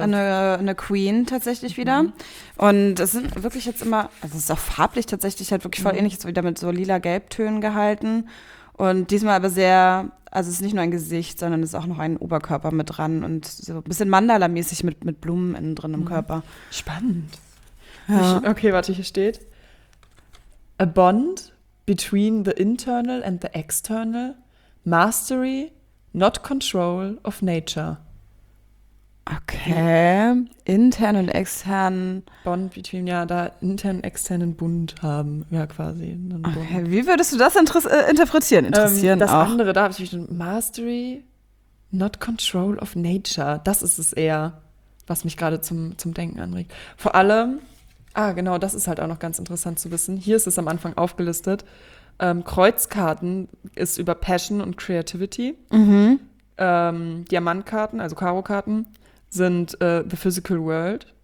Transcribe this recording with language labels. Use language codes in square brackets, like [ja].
[de] Eine Queen tatsächlich wieder. Und es sind wirklich jetzt immer, also es ist auch farblich tatsächlich halt wirklich voll ähnlich, so wieder mit so lila-gelb-Tönen gehalten. Und diesmal aber sehr, also es ist nicht nur ein Gesicht, sondern es ist auch noch ein Oberkörper mit dran und so ein bisschen Mandala-mäßig mit Blumen innen drin im Körper. Spannend. Ja. Okay, warte, hier steht. [en] A bond between the internal and the external. Mastery, not control of nature. [de] Okay. Intern und extern. [en] Bond between, [de] ja, da intern und externen Bund haben. Ja, quasi. Okay, wie würdest du das interpretieren? Interessieren das auch. Das andere, da habe ich schon. [en] Mastery, not control of nature. [de] Das ist es eher, was mich gerade zum Denken anregt. Vor allem. Ah, genau, das ist halt auch noch ganz interessant zu wissen. Hier ist es am Anfang aufgelistet. Kreuzkarten ist über Passion und Creativity. Mhm. Diamantkarten, also Karo-Karten, sind [en] the physical world.